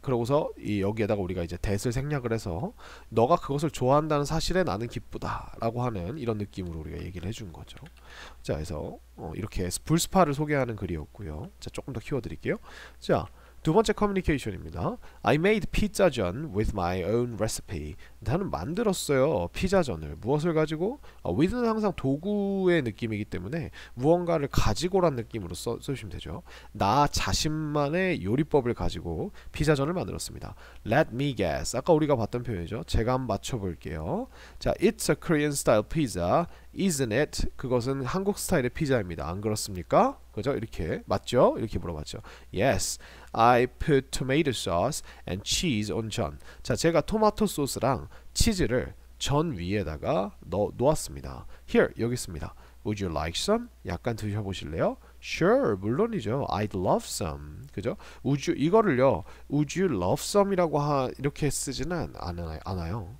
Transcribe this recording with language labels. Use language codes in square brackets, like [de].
[ko] 그러고서 여기에다가 우리가 이제 that을 생략을 해서 너가 그것을 좋아한다는 사실에 나는 기쁘다라고 하는 이런 느낌으로 우리가 얘기를 해준 거죠. 자, 그래서 이렇게 불스파를 소개하는 글이었고요. 자, 조금 더 키워드릴게요. 자, 두 번째 커뮤니케이션입니다. [en] I made pizza 전 with my own recipe. [ko] 나는 만들었어요, 피자 전을. 무엇을 가지고? with는 항상 도구의 느낌이기 때문에 무언가를 가지고란 느낌으로 쓰시면 되죠. 나 자신만의 요리법을 가지고 피자 전을 만들었습니다. [en] Let me guess. [ko] 아까 우리가 봤던 표현이죠. 제가 한번 맞춰볼게요. [en] 자, it's a Korean style pizza, isn't it? [ko] 그것은 한국 스타일의 피자입니다. 안 그렇습니까? 그죠? 이렇게 맞죠? 이렇게 물어봤죠. [en] Yes, I put tomato sauce and cheese on 전. [ko] 자, 제가 토마토 소스랑 치즈를 전 위에다가 놓았습니다. [en] Here, [ko] 여기 있습니다. [en] Would you like some? [ko] 약간 드셔보실래요? [en] Sure, [ko] 물론이죠. [en] I'd love some. [ko] 그죠? 우주 이거를요. [en] Would you love some [ko] 이라고 이렇게 쓰지는 않아요.